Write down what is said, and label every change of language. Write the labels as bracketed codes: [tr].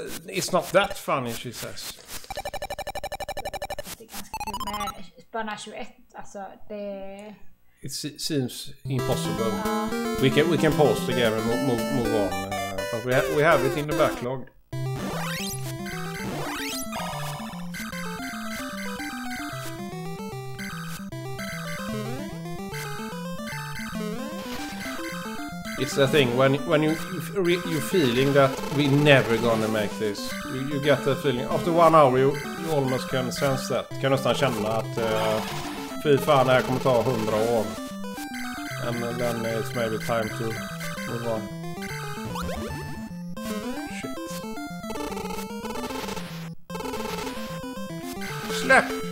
[en] It's not that funny, she says. [sv] Det är ganska kul med bana 21, alltså det... [en] It seems impossible. We can pause the game and move on. But we have it in the backlog. It's a thing when you're feeling that we never gonna make this. You get that feeling after one hour. You almost can sense that. [sv] Kan nästan känna att fy fan, det här kommer ta 100 år. [en] And then it's maybe time to move on. Shit. [sv] Släpp.